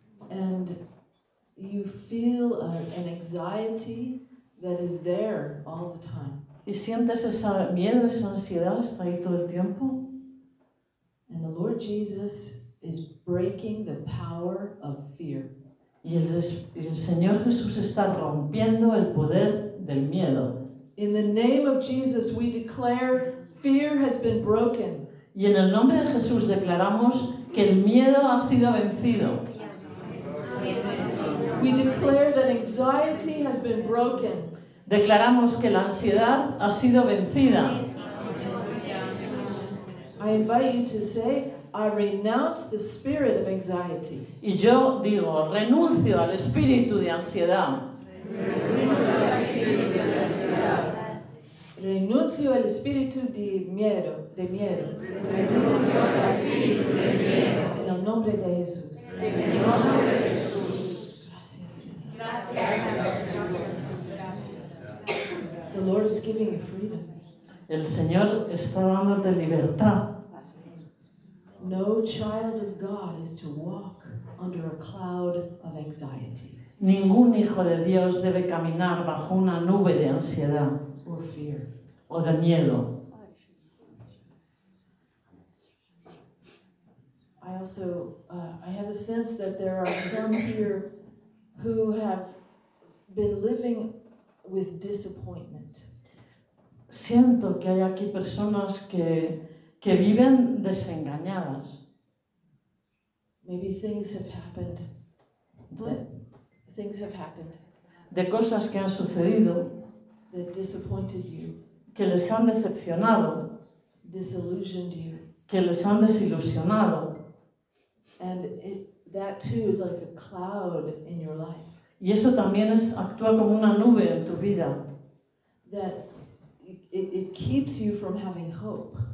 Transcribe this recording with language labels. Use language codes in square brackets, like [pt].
[en] And you feel an anxiety that is there all the time. [es] ¿Y sientes ese miedo, esa ansiedad, está ahí todo el tiempo? [en] And the Lord Jesus is breaking the power of fear. [es] Y el Señor Jesús está rompiendo el poder del miedo. [en] In the name of Jesus, we declare fear has been broken. [es] Y en el nombre de Jesús declaramos que el miedo ha sido vencido. [en] We declare that anxiety has been broken. [es] Declaramos que la ansiedad ha sido vencida. [en] I invite you to say, I renounce the spirit of anxiety. [es] Y yo digo, renuncio al espíritu de ansiedad. Renuncio al espíritu de miedo. De miedo. Renuncio al espíritu de miedo. En el nombre de Jesús. En el nombre de Jesús. [en] The Lord is giving you freedom. [es] El Señor está dándote libertad. [en] No child of God is to walk under a cloud of anxiety. [es] Ningún hijo de Dios debe caminar bajo una nube de ansiedad. [en] Or fear. [es] O de miedo. [en] I also I have a sense that there are some here who have been living with disappointment. [es] Siento que hay aquí personas que viven desengañadas. [en] Maybe things have happened. Things have happened. [es] De cosas que han sucedido. [en] That disappointed you. [es] Que les han decepcionado. [en] Disillusioned you. [es] Que les han desilusionado. [en] And that too is like a cloud in your life. [es] Y eso también es actúa como una nube en tu vida. [en] That it keeps you from having hope.